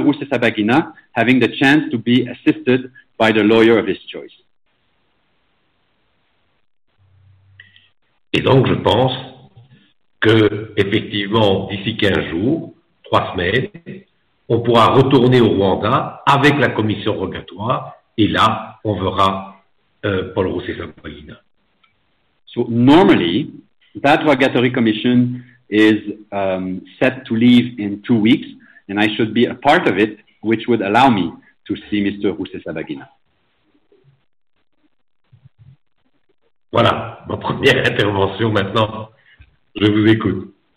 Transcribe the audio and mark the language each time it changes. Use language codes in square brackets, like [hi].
[en] Rusesabagina having the chance to be assisted by the lawyer of his choice. [fr] Et donc, je pense que, effectivement, d'ici 15 jours, 3 semaines, on pourra retourner au Rwanda avec la commission rogatoire, et là, on verra Paul Rusesabagina. [en] So, normally, that rogatory commission is set to leave in 2 weeks, and I should be a part of it, which would allow me to see Mr. Rusesabagina. [fr] Voilà, ma première intervention maintenant. Je vous écoute.